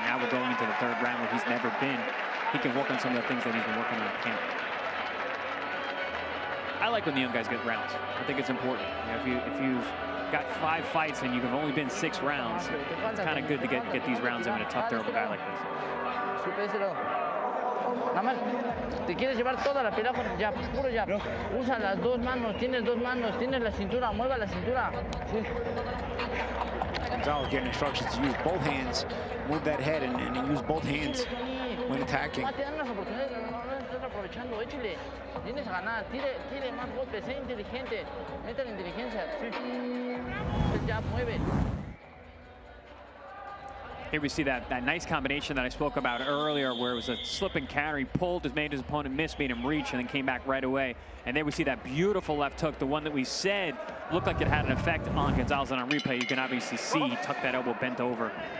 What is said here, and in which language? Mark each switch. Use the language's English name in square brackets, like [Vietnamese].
[English] Now we're going into the third round where he's never been. He can work on some of the things that he's been working on at camp. I like when the young guys get rounds. I think it's important. You know, if you've got five fights and you've only been six rounds, it's kind of good to get these rounds in a tough, durable guy like this. [Spanish] Nada más, te quieres llevar toda la pelea con el jab, puro jab. No. Usa las dos manos, tienes la cintura, mueva la cintura. Sí. [English] Gonzalez getting instructions to use both hands, move that head and use both hands when attacking. [Spanish] Mate, dan las oportunidades, no estás aprovechando, échale. Tienes a ganar, tire más golpes, sé inteligente, mete la inteligencia. Sí. El jab, mueve. [English] Here we see that nice combination that I spoke about earlier where it was a slip and counter. He pulled, made his opponent miss, made him reach, and then came back right away. And then we see that beautiful left hook, the one that we said looked like it had an effect on Gonzalez. And on replay, you can obviously see he tucked that elbow, bent over.